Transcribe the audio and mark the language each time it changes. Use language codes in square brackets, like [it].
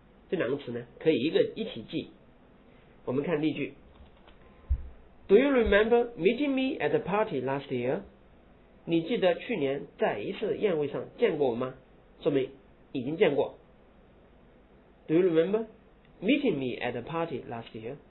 [zh] 这两个词呢可以一起记。我们看例句。 [en] Do you remember meeting me at a party last year? [zh] 你记得去年在一次宴会上见过我吗？说明已经见过。 [en] Do you remember meeting me at a party last year?